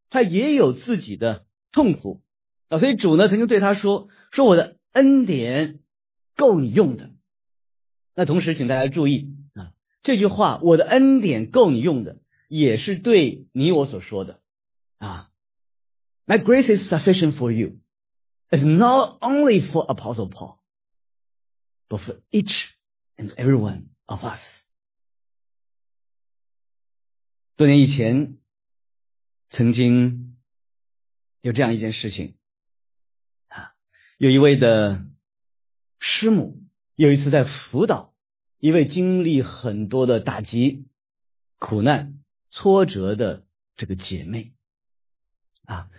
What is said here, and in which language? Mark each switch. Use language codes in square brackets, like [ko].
[zh] 他也有自己的痛苦。所以主呢曾经对他说，说我的恩典够你用的。那同时请大家注意啊，这句话我的恩典够你用的也是对你我所说的啊。 [en] My grace is sufficient for you. It's not only for Apostle Paul, but for each and every one of us. [zh] 多年以前曾经有这样一件事情啊，有一位的师母有一次在辅导一位经历很多的打击、苦难、挫折的这个姐妹啊。